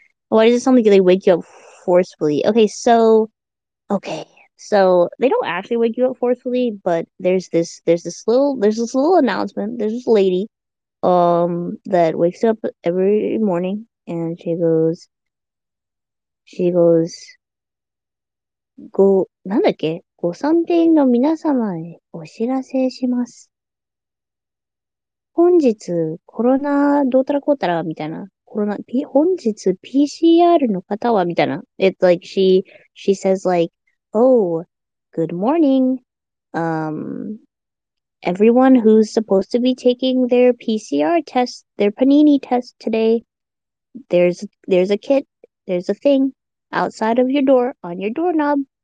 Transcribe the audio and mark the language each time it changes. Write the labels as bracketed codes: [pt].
[en] Why does it sound like they wake you up forcefully? Okay, so they don't actually wake you up forcefully, but there's this little announcement. There's this lady, that wakes up every morning and she goes, go, [ja] nandake? ご参勤の皆様へお知らせします。本日コロナどうたらこうたらみたいな。コロナ、P、本日 PCR の方はみたいな。 [en] It's like she says like, oh, good morning. Everyone who's supposed to be taking their PCR test, their panini test today, there's a kit, there's a thing outside of your door on your doorknob.